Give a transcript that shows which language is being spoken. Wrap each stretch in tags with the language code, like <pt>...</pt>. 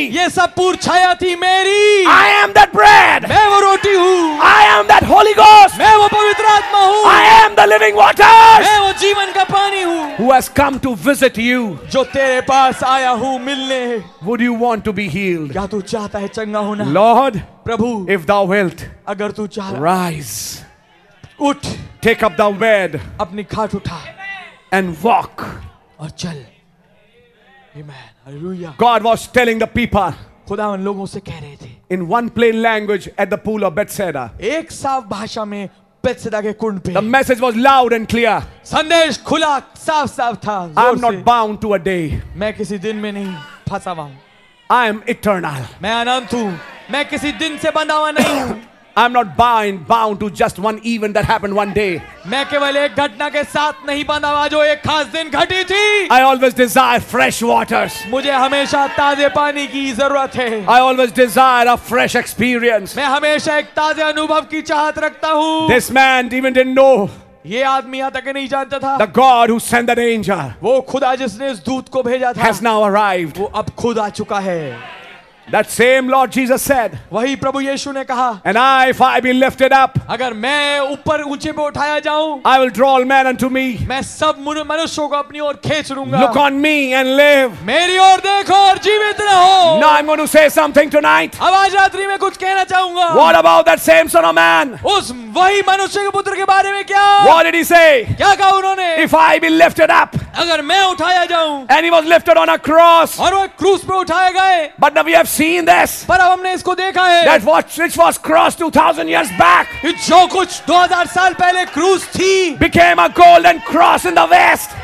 <hi>ये सब पूर्व छाया थी मेरी.</hi> <en>I am that bread.</en> <hi>मैं वो रोटी हूँ.</hi> <en>I am that Holy Ghost.</en> <hi>मैं वो पवित्र आत्मा हूँ.</hi> <en>I am the living waters.</en> <hi>मैं वो जीवन का पानी हूँ.</hi> <en>Who has come to visit you?</en> <hi>जो तेरे पास आया हूँ मिलने.</hi> <en>Would you want to be healed?</en> <hi>क्या तू चाहता है चंगा होना?</hi> <en>Lord.</en> <hi>Prabhu,</hi> <en>if thou wilt,</en> <hi>अगर तू चाह,</hi> <en>rise,</en> <hi>उठ,</hi> <en>take up thy bed,</en> <hi>अपनी खाट उठा,</hi> <en>and walk,</en> <hi>और चल,</hi> <en>amen, hallelujah. God was telling the people,</en> <hi>खुदा उन लोगों से कह रहे थे,</hi> <en>in one plain language at the pool of Bethsaida,</en> <hi>एक साफ भाषा में बेथसदा के कुंड पे,</hi> <en>the message was loud and clear,</en> <hi>संदेश खुला साफ साफ था,</hi> <en>I am not bound to a day,</en> <hi>मैं किसी दिन में नहीं फंसा हुआ हूँ,</hi> <en>I am eternal,</en> <hi>मैं अनंत हूँ. मैं किसी दिन से बंधा हुआ नहीं हूँ.</hi> <en>I'm not bound to just one event that happened one day.</en> <hi>मैं केवल एक घटना के साथ नहीं बंधा हुआ जो एक खास दिन घटी थी.</hi> <en>I always desire fresh waters.</en> <hi>मुझे हमेशा ताजे पानी की जरूरत है.</hi> <en>I always desire a fresh experience.</en> <hi>मैं हमेशा एक ताजे अनुभव की चाहत रखता हूँ.</hi> <en>This man even didn't know.</en> <hi>ये आदमी यहाँ तक नहीं जानता था.</hi> <en>The God who sent that angel.</en> <hi>वो खुदा जिसने इस दूत को भेजा था.</hi> <en>Has now arrived.</en> <hi>वो अब खुद आ चुका है.</hi> <en>That same Lord Jesus said.</en> <hi>वही प्रभु यीशु ने कहा.</hi> <en>And I, if I be lifted up.</en> <hi>अगर मैं ऊपर ऊंचे पे उठाया जाऊं.</hi> <en>I will draw all men unto me.</en> <hi>मैं सब मनुष्यों को अपनी ओर खींच लूंगा.</hi> <en>Look on me and live.</en> <hi>मेरी ओर देखो और जीवित रहो.</hi> <en>Now I'm going to say something tonight.</en> <hi>अब आज रात्रि में कुछ कहना चाहूंगा.</hi> <en>What about that same son of man?</en> <hi>उस वही मनुष्य के पुत्र के बारे में क्या?</hi> <en>What did he say?</en> <hi>क्या कहा उन्होंने?</hi> <en>If I be lifted up.</en> <hi>अगर मैं उठाया जाऊं.</hi> <en>And he was lifted on a cross.</en> <hi>और वो क्रूस पे उठाए गए.</hi> <en>But now we have seen this.</en> <hi>पर अब हमने इसको देखा है.</hi> <en>That which was crossed 2000 years back.</en> <hi>जो कुछ 2000 साल पहले क्रूस थी.</hi> <en>Became a golden cross in the west.</en>